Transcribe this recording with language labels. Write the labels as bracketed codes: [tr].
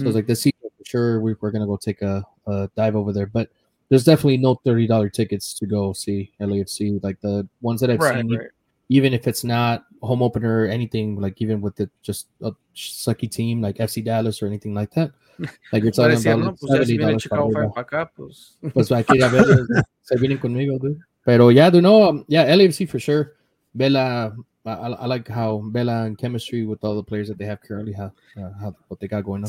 [en] So it's like this season for sure we're gonna go take a dive over there, but there's definitely no $30 tickets to go see LAFC. Like the ones that I've seen, even if it's not home opener or anything, like even with the just a sucky team like FC Dallas or anything like that. Like you're talking about $70. [es] Pues aquí a ver, se vienen conmigo, [en] dude. [es] Pero [en] yeah, dude, no, LAFC for sure. Vela, I like how Vela and chemistry with all the players that they have currently, what they got going on.